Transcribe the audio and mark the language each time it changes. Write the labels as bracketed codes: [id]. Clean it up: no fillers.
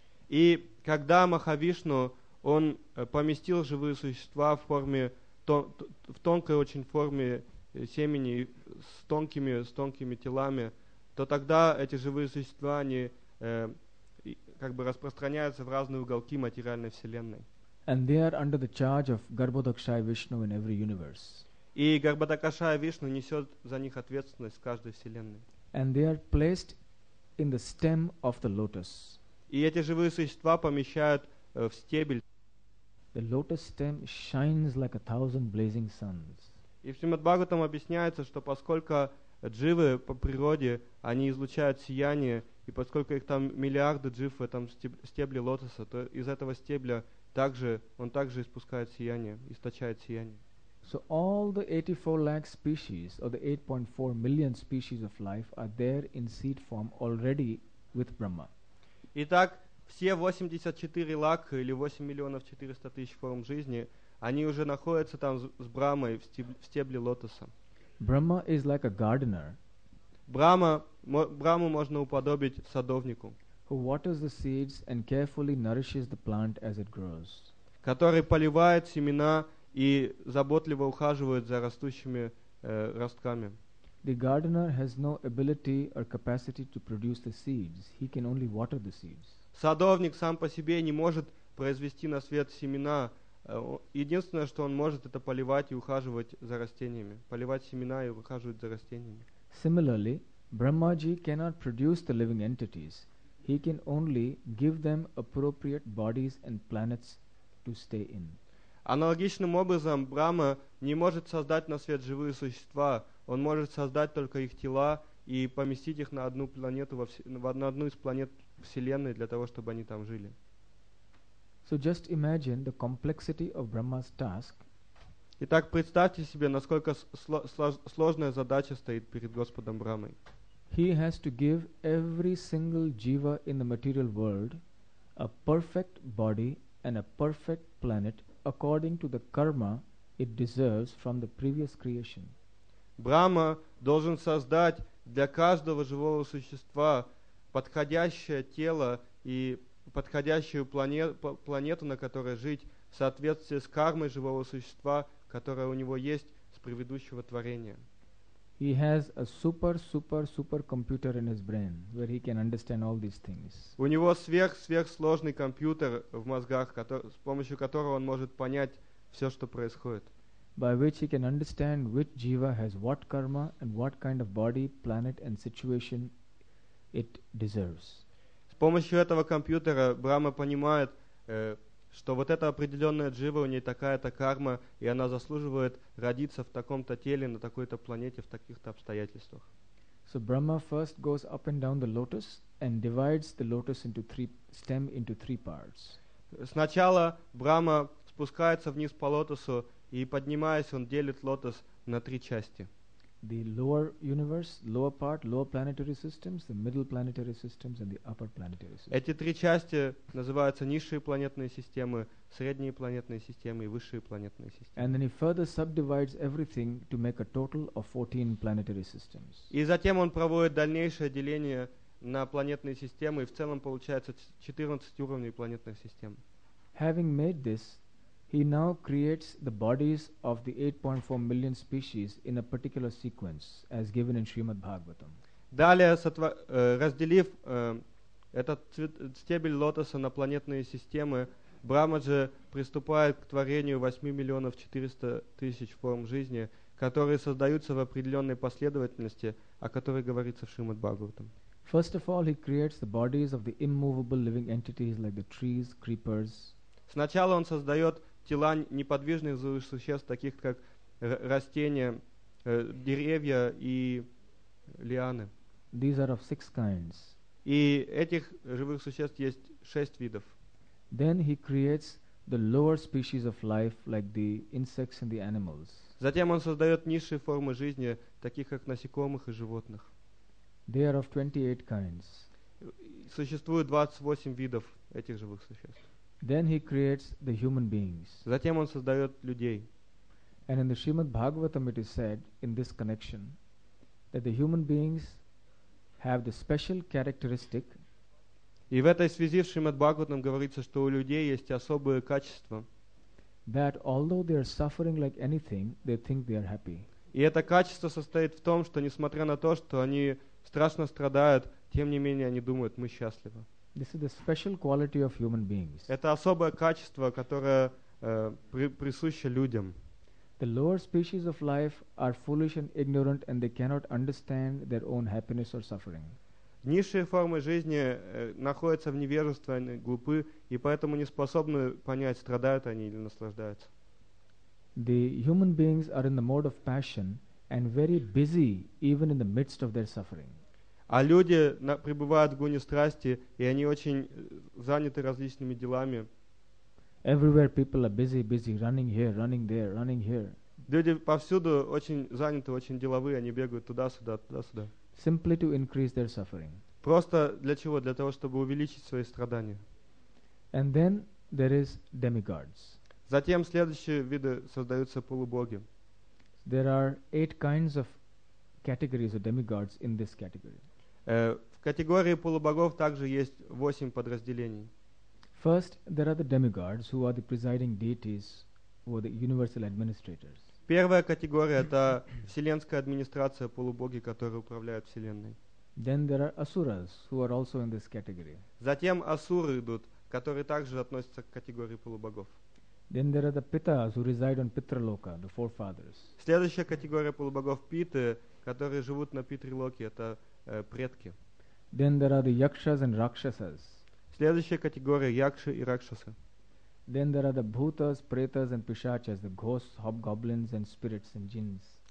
[ru] И когда Махавишну он поместил живые существа в форме в тонкой очень форме семени с тонкими телами, то тогда эти живые существа они как бы распространяются в разные уголки материальной вселенной. [en] And they are under the charge of Garbhodakshaya Vishnu in every universe. [ru] И Гарбхадакшая Вишну несет за них ответственность в каждой вселенной. [en] And they are placed in the stem of the lotus. [ru] И эти живые существа помещают в стебель. [en] The lotus stem shines like a thousand blazing suns. [ru] И в Шримад-Бхагаватам объясняется, что поскольку дживы по природе, они излучают сияние, и поскольку их там миллиарды джив в этом стебле лотоса, то из этого стебля также он также испускает сияние, источает сияние. [en] So all the 84 lakh species or the 8.4 million species of life are there in seed form already with Brahma. [ru] Итак, все 84 лакх или 8 миллионов 400 тысяч форм жизни, они уже находятся там с Брахмой в стебле лотоса. [en] Brahma is like a gardener. [ru] Брахму можно уподобить садовнику. [en] Who waters the seeds and carefully nourishes the plant as it grows. [ru] Который поливает семена и заботливо ухаживает за растущими ростками. [en] The gardener has no ability or capacity to produce the seeds. He can only water the seeds. [ru] Садовник сам по себе не может произвести на свет семена. Единственное, что он может, это поливать и ухаживать за растениями. Поливать семена и ухаживать за растениями. [en] Similarly, Brahmaji cannot produce the living entities. He can only give them appropriate bodies and planets to stay in. [ru] Аналогичным образом, Брахма не может создать на свет живые существа. Он может создать только их тела и поместить их на одну планету, на одну из планет Вселенной для того, чтобы они там жили. [en] So just imagine the complexity of Brahma's task. [ru] Итак, представьте себе, насколько сложная задача стоит перед Господом Брахмой. [en] He has to give every single jiva in the material world a perfect body and a perfect planet according to the karma it deserves from the previous creation. [ru] Брахма должен создать для каждого живого существа подходящее тело и подходящую планету, на которой жить, в соответствии с кармой живого существа, которая у него есть с предыдущего творения. [en] He has a super computer in his brain where he can understand all these things. [ru] У него сверхсложный компьютер в мозгах, с помощью которого он может понять все, что происходит. [en] By which he can understand which jiva has what karma and what kind of body, planet and situation it deserves. [ru] С помощью этого компьютера Брахма понимает, что вот эта определенная джива, у ней такая-то карма, и она заслуживает родиться в таком-то теле, на такой-то планете, в таких-то обстоятельствах. [en] So Brahma first goes up and down the lotus and divides the lotus into three stem into three parts. [ru] Сначала Брахма спускается вниз по лотосу, и поднимаясь, он делит лотос на три части. [en] the lower universe, lower part, lower planetary systems, the middle planetary systems and the upper planetary systems. [ru] Эти три части называются низшие планетные системы, средние планетные системы и высшие планетные системы. [en] And then he further subdivides everything to make a total of 14 planetary systems. [ru] И затем он проводит дальнейшее деление на планетные системы, и в целом получается 14 уровней планетных систем. [en] Having made this, he now creates the bodies of the 8.4 million species in a particular sequence, as given in Srimad Bhagavatam. [ru] Далее, разделив этот стебель лотоса на планетные системы, Брахмаджи приступает к творению 8 400 000 форм жизни, которые создаются в определенной последовательности, о которой говорится в Шримад Бхагаватам. [en] First of all, he creates the bodies of the immovable living entities like the trees, creepers. [ru] Сначала он создает тела неподвижных живых существ, таких как растения, деревья и лианы. [en] These are of six kinds. [ru] И этих живых существ есть шесть видов. [en] Then he creates the lower species of life, like the insects and the animals. [ru] Затем он создает низшие формы жизни, таких как насекомых и животных. [en] They are of 28 kinds. [ru] Существует 28 видов этих живых существ. [en] Then he creates the human beings. [ru] Затем он создает людей. [en] And in the Srimad Bhagavatam it is said in this connection that the human beings have the special characteristic. [ru] И в этой связи в Шримад Бхагаватам говорится, что у людей есть особые качества. [en] That although they are suffering like anything, they think they are happy. [ru] И это качество состоит в том, что несмотря на то, что они страшно страдают, тем не менее они думают, мы счастливы. [en] This is the special quality of human beings. [ru] Это особое качество, которое присуще людям. [en] The lower species of life are foolish and ignorant, and they cannot understand their own happiness or suffering. [ru] Низшие формы жизни находятся в невежестве, они глупы, и поэтому не способны понять, страдают они или наслаждаются. [en] The human beings are in the mode of passion and very busy even in the midst of their suffering. [ru] А люди пребывают в гуне страсти, и они очень заняты различными делами. [en] Everywhere people are busy, running here, running there, running here. [ru] Люди повсюду очень заняты, очень деловые, они бегают туда-сюда, туда-сюда. [en] Simply to increase their suffering. [ru] Просто для чего? Для того, чтобы увеличить свои страдания. [en] And then there is demigods. [ru] Затем следующие виды создаются полубоги. [en] There are 8 kinds of categories of demigods in this category. [ru] В категории полубогов также есть 8 подразделений. [en] First, there are the demigods, who are the presiding deities, who are the universal administrators. [ru] Первая категория — это вселенская администрация, полубоги, которые управляют вселенной. [en] Then there are asuras, who are also in this category. [ru] Затем асуры идут, которые также относятся к категории полубогов. [en] Then there are the pitas, who reside on Pitraloka, the forefathers. [ru] Следующая категория полубогов — питы, которые живут на Питрилоке, это предки. [en] Then there are the yakshas and rakshasas. [ru] Следующая категория — якши и ракшасы. [en] Then there are the bhutas, pretas and pishachas, the ghosts, hobgoblins and spirits and jinns.